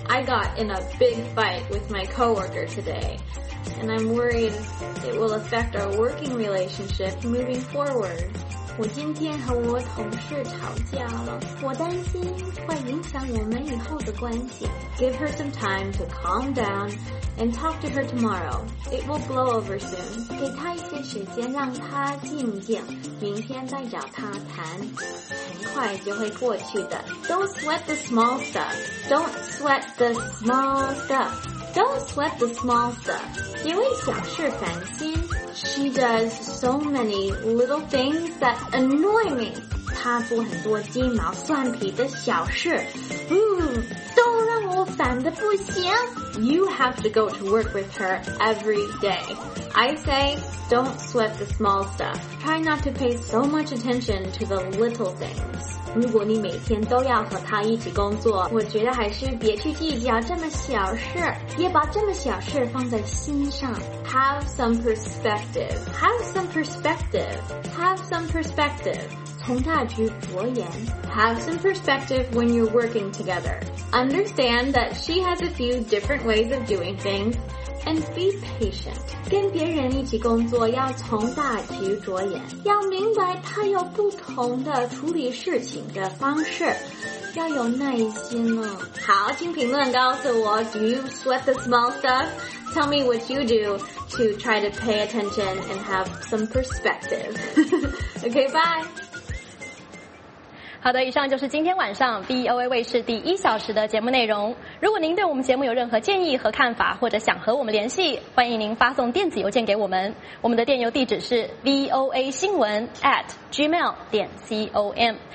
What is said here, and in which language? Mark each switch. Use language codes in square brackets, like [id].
[en] I got in a big fight with my coworker today, and I'm worried it will affect our working relationship moving forward. [zh] 我今天和我同事吵架了，我担心会影响我们以后的关系。 [en] Give her some time to calm down and talk to her tomorrow. It will blow over soon. [zh] 给她一些时间让她静静，明天再找她谈，很快就会过去的。 [en] Don't sweat the small stuff. Don't sweat the small stuff. Don't sweat the small stuff. [zh] 因为小事烦心。 [en] She does so many little things that annoy me. [zh] 她做很多鸡毛蒜皮的小事。都让我烦得不行。 [en] You have to go to work with her every day. I say, don't sweat the small stuff. Try not to pay so much attention to the little things. [zh] 如果你每天都要和她一起工作，我觉得还是别去计较这么小事，也把这么小事放在心上。 [en] Have some perspective. Have some perspective. Have some perspective. [zh] 从大局着眼。 [en] Have some perspective when you're working together. Understand that she has a few different ways of doing things, and be patient. [zh] 跟别人一起工作要从大局着眼，要明白她有不同的处理事情的方式，要有耐心哦。好，请评论告诉我 ， [en] Do you sweat the small stuff? Tell me what you do to try to pay attention and have some perspective. Okay, bye. [zh] 好的，以上就是今天晚上 BOA 卫视第一小时的节目内容。如果您对我们节目有任何建议和看法，或者想和我们联系，欢迎您发送电子邮件给我们。我们的电邮地址是 voasinwen@gmail.com。